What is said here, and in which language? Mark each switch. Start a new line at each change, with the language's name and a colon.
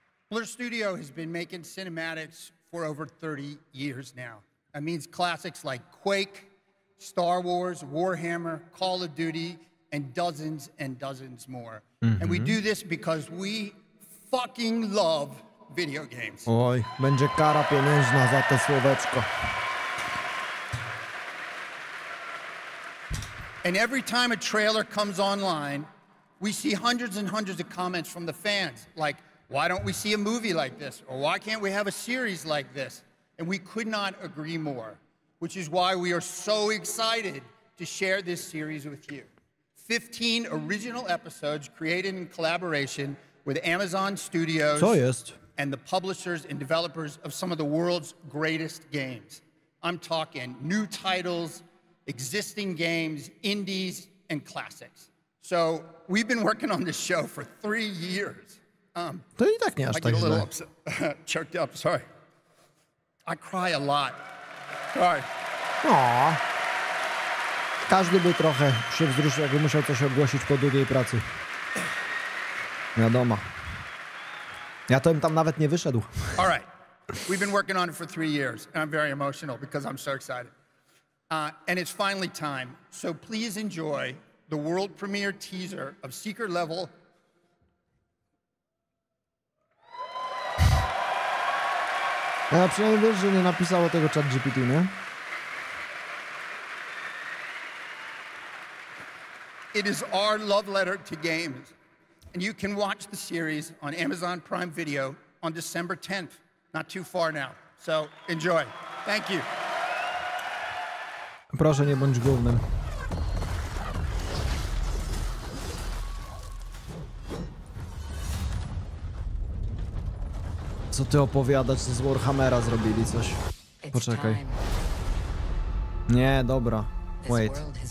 English: Blur Studio has been making cinematics for over 30 years now. That means classics like Quake, Star Wars, Warhammer, Call of Duty, and dozens more. Mm-hmm. And we do this because we fucking love video games.
Polish: Oj, będzie kara pieniężna za to słoweczko.
English: And every time a trailer comes online, we see hundreds and hundreds of comments from the fans, like, why don't we see a movie like this? Or why can't we have a series like this? And we could not agree more, which is why we are so excited to share this series with you. 15 original episodes created in collaboration with Amazon Studios
Polish: so jest.
English: And the publishers and developers of some of the world's greatest games. I'm talking new titles, existing games, indies, and classics. So we've been working on this show for 3 years.
Polish: To i tak nie aż tak źle.
English: I get a little choked up, sorry. I cry a lot. Sorry. Aww.
Polish: Każdy by trochę się wzruszył, jakby musiał coś ogłosić po długiej pracy. Wiadomo. Ja to bym tam nawet nie wyszedł.
English: All right. We've been working on it for 3 years, and I'm very emotional because I'm so excited. And it's finally time, so please enjoy the world premiere teaser of Secret Level.
Polish: Ja przynajmniej wiesz, że nie napisało tego ChatGPT, nie?
English: It is our love letter to games. And you can watch the series on Amazon Prime Video on December 10th, not too far now. So enjoy. Thank you.
Polish: Proszę, nie bądź głównym. Co ty opowiadać, z Warhammera zrobili coś. Poczekaj. Nie, dobra.
English: Wait.